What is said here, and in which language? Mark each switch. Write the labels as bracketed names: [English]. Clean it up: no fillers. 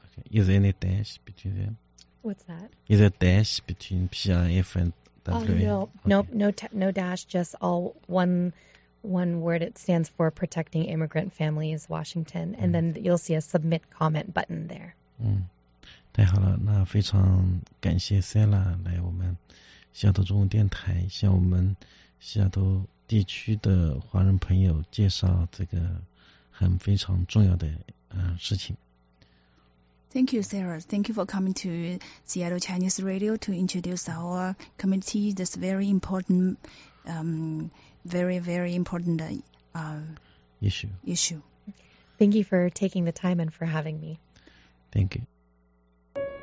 [English] Okay. Is there any dash between them? What's that? Is there a dash between PIF and WA? Oh, no. Okay. No dash, just all one word. It stands for Protecting Immigrant Families, Washington. And then you'll see a submit comment button there. [Chinese] 太好了，那非常感谢 Sarah 来我们西雅图中文电台向我们西雅图地区的华人朋友介绍这个很非常重要的事情。 [English] Thank you, Sarah. Thank you for coming to Seattle Chinese Radio to introduce our committee this very important, very, very important issue. Thank you for taking the time and for having me. Thank you.